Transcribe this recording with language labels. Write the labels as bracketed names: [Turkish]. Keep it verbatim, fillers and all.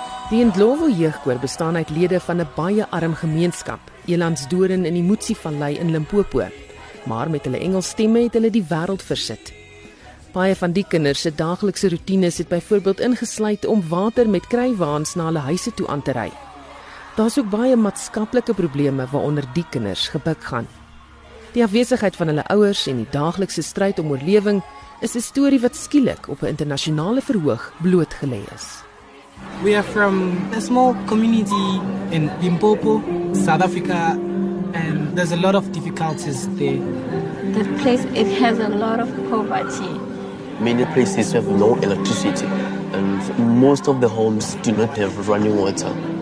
[Afrikaans] Die Ndlovu jeugkoor bestaan uit lede van 'n baie arm gemeenskap, Elandsdoorn in die Motsi-vallei in Limpopo, maar met hulle Engelsstemme het hulle die wêreld versit. Baie van die kinders se daaglikse roetines het byvoorbeeld ingesluit om water met kruiwaans na hulle huise toe aan te ry. Daar's ook baie maatskaplike probleme waaronder die kinders gebuk gaan. Die afwesigheid van hulle ouers en die daaglikse stryd om oorlewing is 'n storie wat skielik op 'n internasionale verhoog blootgelê is. [English] We are from a small community in Limpopo, South Africa, and there's a lot of difficulties there. The place, it has a lot of poverty. Many places have no electricity, and most of the homes do not have running water.